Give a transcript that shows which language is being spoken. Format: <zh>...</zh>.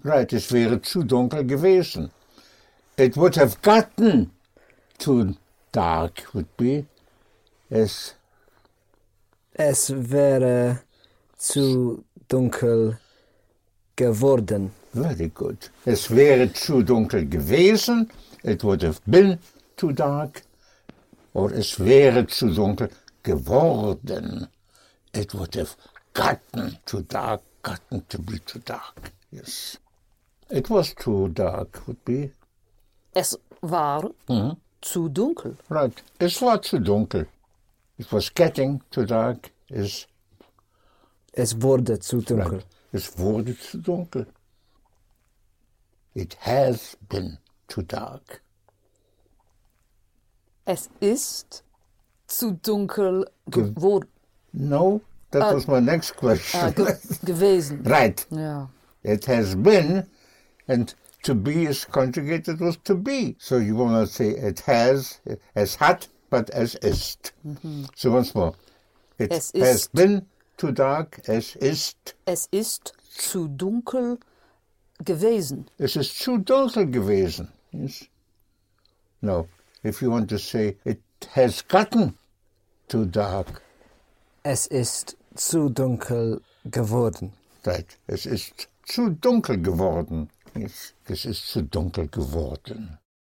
<de>Right, es wäre zu dunkel gewesen.</de> <en>It would have gotten too dark, would be.</en> <de>Es wäre zu dunkel geworden.</de> <en>Very good.</en> <de>Es wäre zu dunkel gewesen.</de> <en>It would have been too dark.</en> <de>Or es wäre zu dunkel geworden.</de> <en>It would have gotten too dark. Gotten to be too dark, yes. It was too dark, would be.</en> <de>Es war zu dunkel.</de> <en>Right.</en> <de>Es war zu dunkel.</de> <en>It was getting too dark.</en> <de>Es wurde zu dunkel.</de> <en>Right.</en> <de>Es wurde zu dunkel.</de> <en>It has been too dark.</en> <de>Es ist zu dunkel geworden.</de> <en>No, that was my next question.</en> <de>Gewesen.</de> <en>Right. Yeah. It has been, and to be is conjugated with to be. So you will not say it has,</en> <de>es hat,</de> <en>but</en> <de>es ist.</de> <en>Mm-hmm. So once more. It</en> <de>es</de> <en>has</en> <de>ist</de> <en>been too dark,</en> <de>es ist. Es ist zu dunkel gewesen. Es ist zu dunkel gewesen.</de> <en>Yes. No, if you want to say it has gotten too dark.</en> <de>Es ist zu dunkel geworden.</de> <en>Right.</en> <de>Es ist zu dunkel geworden. Es ist zu dunkel geworden.</de>